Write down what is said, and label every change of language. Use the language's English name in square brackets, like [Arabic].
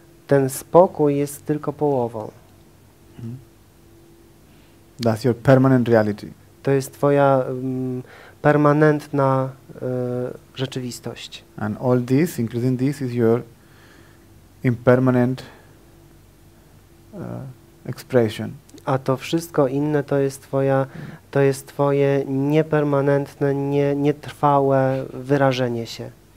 [Polish] Ten spokój jest tylko połową. Hmm. [English] That's your permanent reality. [Polish] To jest twoja permanentna rzeczywistość. [English] And all this, including this, is your impermanent expression. [Polish] A to wszystko inne to jest twoja, to jest twoje niepermanentne, nietrwałe wyrażenie się.